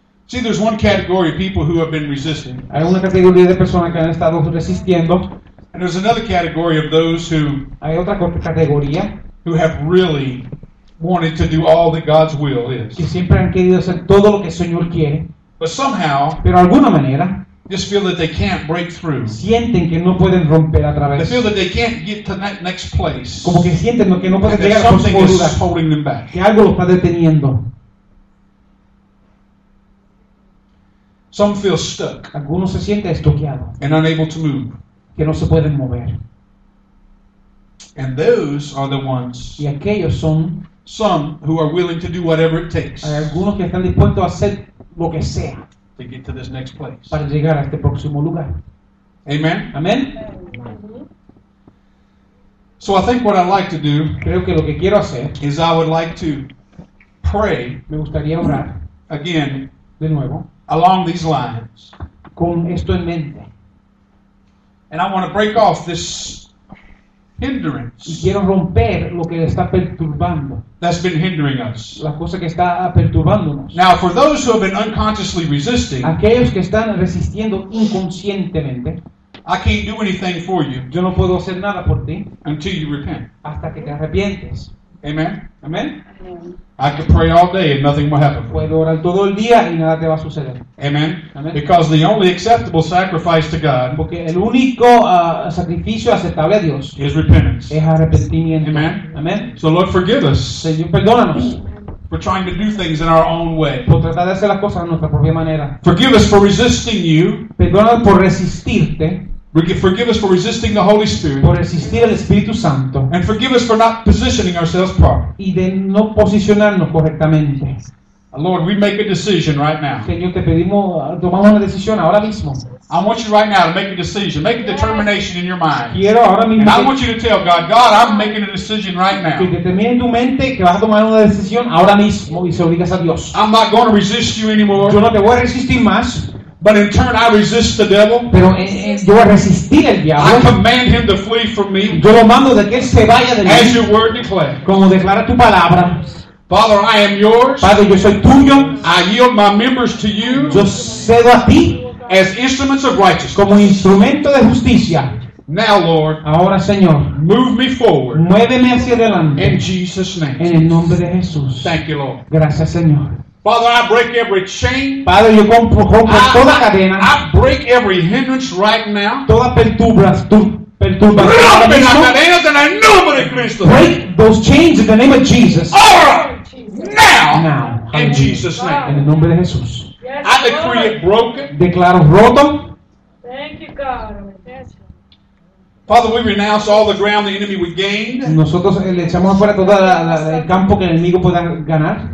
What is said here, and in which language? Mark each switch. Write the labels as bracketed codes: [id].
[en] See, there's one category of people who have been resisting. [es] Hay una categoría de personas que han estado resistiendo. [en] And there's another category of those who [es] hay otra categoría [en] who have really wanted to do all that God's will is. [es] Que siempre han querido hacer todo lo que el Señor quiere. [en] But somehow, [es] pero de alguna manera, [en] just feel that they can't break through. [es] Sienten que no pueden romper a través. [en] They feel that they can't get to that next place. [es] Como que sienten que no pueden llegar a [en] something [es] por [en] is holding them back. [es] Que algo los está deteniendo. [en] Some feel stuck. [es] Algunos se sienten estoqueados. [en] And unable to move. [es] Que no se pueden mover. [en] And those are the ones. [es] Y aquellos son. [en] Some who are willing to do whatever it takes. [es] Hay algunos que están dispuestos a hacer lo que sea. [en] To get to this next place. [es] Para llegar a este próximo lugar. [en] Amen. Amen. So I think what I'd like to do. [es] Creo que lo que quiero hacer. [en] Is I would like to pray. [es] Me gustaría orar. [en] Again. [es] De nuevo. [en] Along these lines. [es] Con esto en mente. [en] And I want to break off this hindrance. [es] Y quiero romper lo que está perturbando. [en] That's been hindering us. [es] La cosa que está perturbándonos. [en] Now for those who have been unconsciously resisting. [es] Aquellos que están resistiendo inconscientemente. [en] I can't do anything for you. [es] Yo no puedo hacer nada por ti. [en] Until you repent. [es] Hasta que te arrepientes. [en] Amen. Amen. I could pray all day and nothing will happen. [es] Puedo orar todo el día y nada te va a suceder. [en] Amen. Amen. Because the only acceptable sacrifice to God. [es] Porque el único sacrificio aceptable a Dios. [en] Is repentance. [es] Es arrepentimiento. [en] Amen. Amen. So Lord, forgive us. [es] Señor, perdónanos. [en] For trying to do things in our own way. [es] Por tratar de hacer las cosas en nuestra propia manera. [en] Forgive us for resisting you. [es] Perdónanos por resistirte. [en] Forgive us for resisting the Holy Spirit. [es] Por resistir al Espíritu Santo. [en] And forgive us for not positioning ourselves properly. [es] Y de no posicionarnos correctamente. [en] Lord, we make a decision right now. [es] Señor, te pedimos, tomamos una decisión ahora mismo. [en] I want you right now to make a decision. Make a determination in your mind. [es] Quiero ahora mismo. [en] And I want you to tell God, God, I'm making a decision right now. [es] Que determine en tu mente que vas a tomar una decisión ahora mismo y se lo digas a Dios. [en] I'm not going to resist you anymore. [es] Yo no te voy a resistir más. [en] But in turn, I resist the devil. [es] Pero yo voy a resistir al diablo. [en] I command him to flee from me. [es] Yo lo mando de que él se vaya de mí. [en] As your word declares. [es] Como declara tu palabra. [en] Father, I am yours. [es] Padre, yo soy tuyo. [en] I yield my members to you. [es] Yo cedo a ti. [en] As instruments of righteousness. [es] Como instrumento de justicia. [en] Now, Lord. [es] Ahora, Señor. [en] Move me forward. [es] Muéveme hacia adelante. [en] In Jesus' name. [es] En el nombre de Jesús. [en] Thank you, Lord. [es] Gracias, Señor. [en] Father, I break every chain. [es] Padre, yo rompo toda cadena. [en] I break every hindrance right now. [es] Toda perturba. Rompe las cadenas en el nombre de Cristo. [en] Break those chains in the name of Jesus. All right. Now. In Jesus' name. [es] En el nombre de Jesús. [en] Yes, I decree it broken. [es] Declaro roto. [en] Thank you, God. Father, we renounce all the ground the enemy would gain. [es] Nosotros le echamos afuera todo el campo que el enemigo pueda ganar.